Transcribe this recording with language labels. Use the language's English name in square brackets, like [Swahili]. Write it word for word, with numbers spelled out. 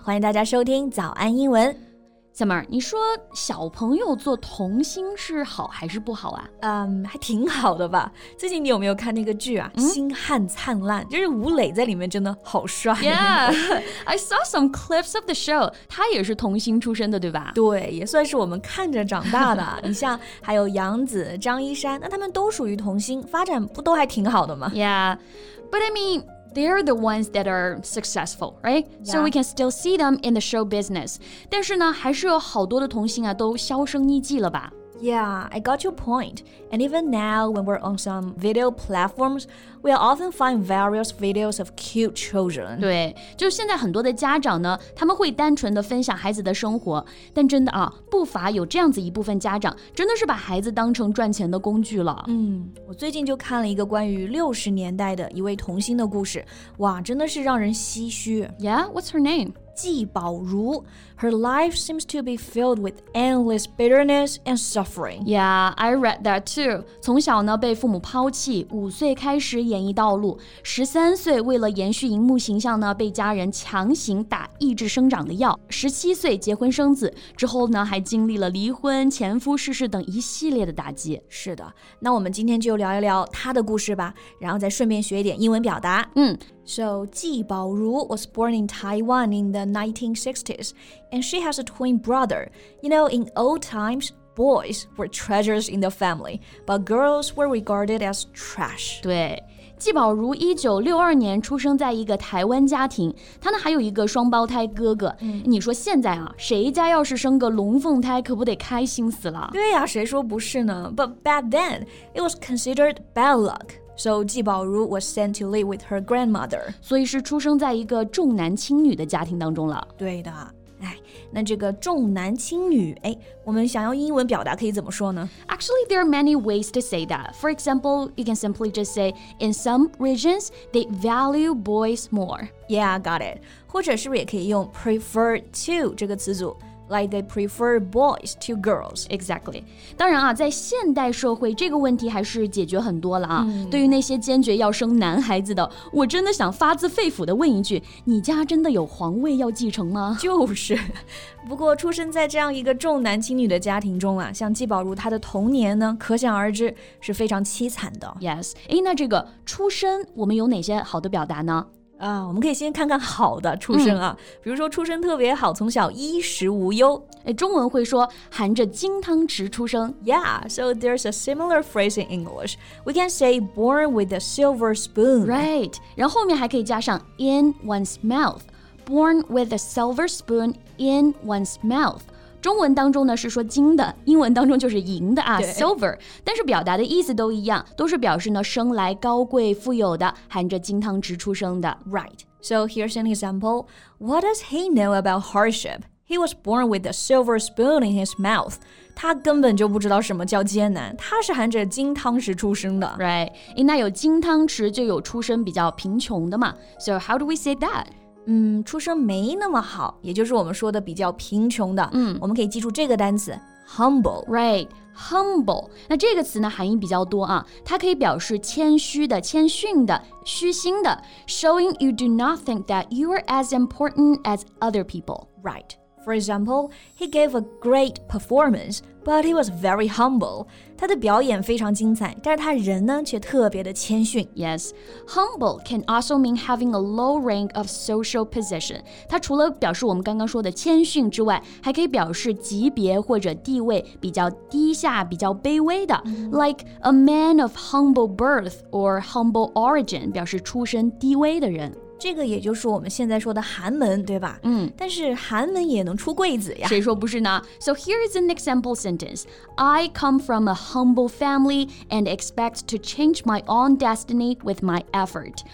[Chinese] 欢迎大家收听早安英文。 Summer, 你说小朋友做童星是好还是不好啊？嗯，还挺好的吧。最近你有没有看那个剧啊？星汉灿烂，就是吴磊在里面真的好帅。 [English] Yeah, I saw some clips of the show. [Chinese] 他也是童星出身的，对吧？对，也算是我们看着长大的。你像还有杨紫、张一山，那他们都属于童星，发展不都还挺好的吗 [English] ？Yeah, but I mean. They're the ones that are successful, right? Yeah. So we can still see them in the show business. [Chinese] 但是呢，还是有好多的童星啊，都销声匿迹了吧？ [English] Yeah, I got your point. And even now, when we're on some video platforms, we often find various videos of cute children. [Chinese] 对，就是现在很多的家长呢，他们会单纯的分享孩子的生活，但真的啊，不乏有这样子一部分家长，真的是把孩子当成赚钱的工具了。嗯，我最近就看了一个关于六十年代的一位童星的故事，哇，真的是让人唏嘘。 [English] Yeah, what's her name? 纪宝如 Her life seems to be filled with endless bitterness and suffering. Yeah, I read that too. [Chinese] 从小呢被父母抛弃，五岁开始演艺道路，十三岁为了延续荧幕形象呢，被家人强行打抑制生长的药，十七岁结婚生子，之后呢还经历了离婚、前夫逝世等一系列的打击。是的，那我们今天就聊一聊她的故事吧，然后再顺便学一点英文表达。嗯。 [English] So, 纪宝如 was born in Taiwan in the nineteen sixties, and she has a twin brother. You know, in old times, boys were treasures in the family, but girls were regarded as trash. [Chinese] 对，纪宝如一九六二年出生在一个台湾家庭，她呢还有一个双胞胎哥哥。嗯、你说现在啊，谁家要是生个龙凤胎，可不得开心死了？对呀、啊，谁说不是呢？ [English] But back then, it was considered bad luck. So, 纪宝如 was sent to live with her grandmother. [Chinese] 所以是出生在一个重男轻女的家庭当中了。对的。哎，那这个重男轻女，哎，我们想要英文表达可以怎么说呢？ [English] Actually, there are many ways to say that. For example, you can simply just say, in some regions, they value boys more. Yeah, got it. [Chinese] 或者是不是也可以用 prefer to 这个词组。 [English] Like they prefer boys to girls. Exactly. [Chinese] 当然啊，在现代社会，这个问题还是解决很多了啊。嗯、对于那些坚决要生男孩子的，我真的想发自肺腑地问一句：你家真的有皇位要继承吗？就是。不过，出生在这样一个重男轻女的家庭中啊，像纪宝如她的童年呢，可想而知是非常凄惨的。 Yes. 诶，那这个出身，我们有哪些好的表达呢？啊，我们可以先看看好的出身啊、嗯、比如说出身特别好，从小衣食无忧，中文会说含着金汤匙出生。 [English] Yeah, so there's a similar phrase in English. We can say born with a silver spoon. [Chinese] Right, 然后后面还可以加上 [English] in one's mouth. Born with a silver spoon in one's mouth. [Chinese] 中文当中呢是说金的，英文当中就是银的啊 ，silver。但是表达的意思都一样，都是表示呢生来高贵富有的，含着金汤匙出生的。 [English] Right. So here's an example. What does he know about hardship? He was born with a silver spoon in his mouth. [Chinese] 他根本就不知道什么叫艰难，他是含着金汤匙出生的。 Right. 那有金汤匙就有出身比较贫穷的嘛。 [English] So how do we say that? [Chinese] 嗯，出生没那么好，也就是我们说的比较贫穷的。嗯，我们可以记住这个单词 humble。 [English] Right, humble。 [Chinese] 那这个词呢含义比较多啊，它可以表示谦虚的、谦逊的、虚心的 ， [English] showing you do not think that you are as important as other people. Right. For example, he gave a great performance, but he was very humble. [Chinese] 他的表演非常精彩，但是他人呢却特别的谦逊。 [English] Yes, humble can also mean having a low rank of social position. [Chinese] 它除了表示我们刚刚说的谦逊之外，还可以表示级别或者地位比较低下、比较卑微的。 Mm-hmm. [English] Like a man of humble birth or humble origin, [Chinese] 表示出身低微的人。这个也就是我们现在说的寒门，对吧？嗯，但是寒门也能出贵子呀。谁说不是呢？ [English] So here is an example sentence. I come from a humble family and expect to change my own destiny with my effort.